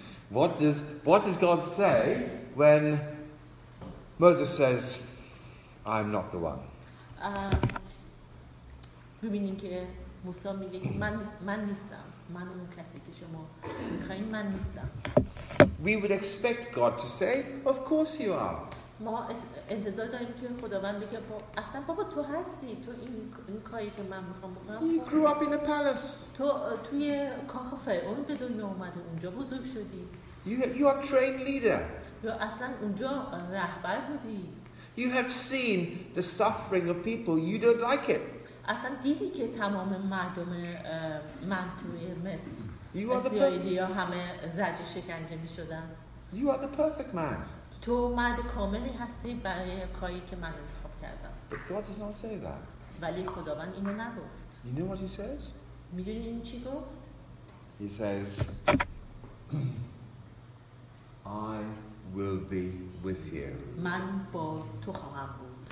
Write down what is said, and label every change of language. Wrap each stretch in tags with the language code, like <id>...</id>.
<en>What does God say when Moses says I'm not the one?</en> <fa>ببینین که موسی میگه که من نیستم. من اون کسی که شما می‌خواید من نیستم.</fa> <en>We would expect God to say, of course you are.</en> <fa>ما انتظار داریم که خداوند بگه اصلا بابا تو هستی تو این کاری که من میخوام بکنم.</fa> <en>You grew up in a palace.</en> <fa>تو توی کاخ فرعون به دنیا اومده اونجا بزرگ شدی.</fa> <en>You are trained leader.</en> <fa>تو اصلا اونجا رهبر بودی.</fa> <en>You have seen the suffering of people. You don't like it.</en> <fa>اصلا دیدی که تمام مردم من توی مصر همه زجر شکنجه می شدن.</fa> <en>You are the perfect man.</en> <fa>تو مرد کاملی هستی برای کاری که من انتخاب کردم.</fa> <en>But God does not say that.</en> <fa>ولی خداوند اینو نگفت.</fa> <en>You know what he says?</en> <fa>می دونی این چی گفت؟</fa> <en>He says, I will be with you.</en> <fa>من با تو خواهم بود.</fa>